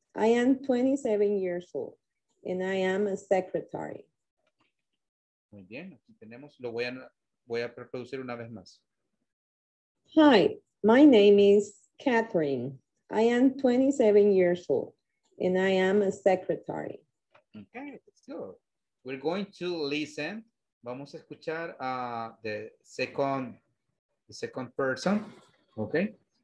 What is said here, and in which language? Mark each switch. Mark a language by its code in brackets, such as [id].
[en] I am 27 years old and I am a secretary. [es] Muy bien, aquí tenemos, lo voy a reproducir una vez más. [en] Hi, my name is Catherine. I am 27 years old and I am a secretary. Okay, let's go. We're going to listen. [es] Vamos a escuchar a [en] the second person. Okay.